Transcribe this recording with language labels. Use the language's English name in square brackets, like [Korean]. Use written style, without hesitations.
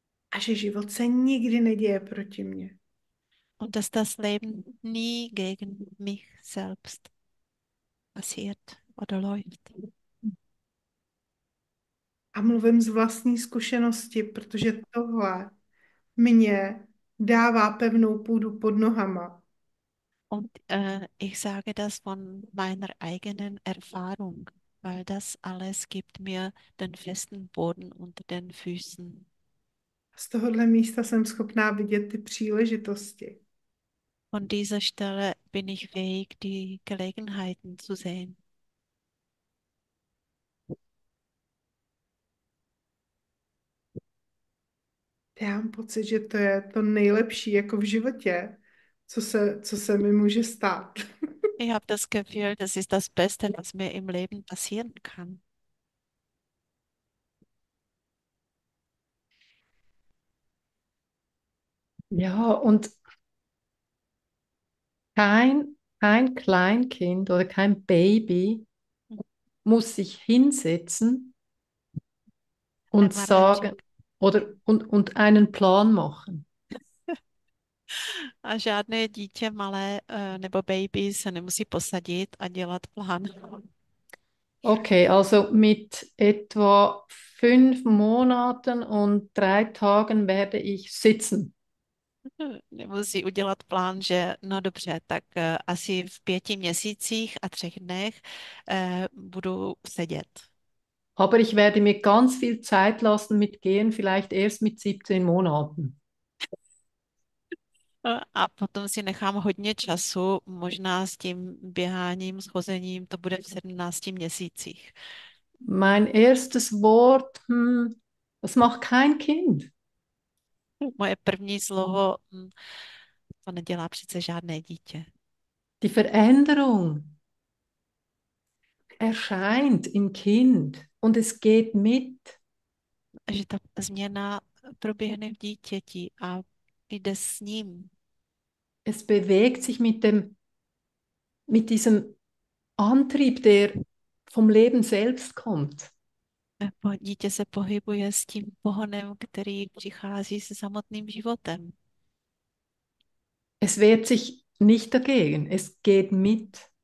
[Czech] A že život se nikdy neděje proti mně. [German] Und dass das Leben nie gegen mich selbst passiert oder läuft. [Czech] A mluvím z vlastní zkušenosti, protože tohle mě dává pevnou půdu pod nohama. [German] Und ich sage das von meiner eigenen Erfahrung, weil das alles gibt mir den festen Boden unter den Füßen. [Czech] Z tohohle místa jsem schopná vidět ty příležitosti. [German] Von dieser Stelle bin ich fähig, die Gelegenheiten zu sehen. [Czech] Já mám pocit, že to je to nejlepší jako v životě, co se mi může stát. [German] Ich habe das Gefühl, das ist das Beste, was mir im Leben passieren kann. Ja, und kein Kleinkind oder kein Baby muss sich hinsetzen und sagen oder und einen Plan machen. [Czech] A žádné dítě malé nebo baby se nemusí posadit a dělat plán. [German] Okay, also mit etwa 5 Monaten und 3 Tagen werde ich sitzen. [Czech] Nemusí udělat plán, že no dobře, tak asi v 5 měsících a 3 dnech budu sedět. [German] Aber ich werde mir ganz viel Zeit lassen mit Gehen, vielleicht erst mit 17 Monaten. [Czech] A potom si nechám hodně času, možná s tím běháním, schozením, to bude v 17 měsících. [German] Mein erstes Wort, das macht kein Kind. [Czech] Moje první slovo, to nedělá přece žádné dítě. [German] Die Veränderung erscheint im Kind. Und es geht mit. [Czech] Že ta změna proběhne v dítěti a jde s ním. [German] Es bewegt sich mit diesem Antrieb, der vom Leben selbst kommt. [Czech] Dítě se pohybuje s tím pohonem, který přichází se samotným životem. [German] Es wehrt sich nicht dagegen, es geht mit.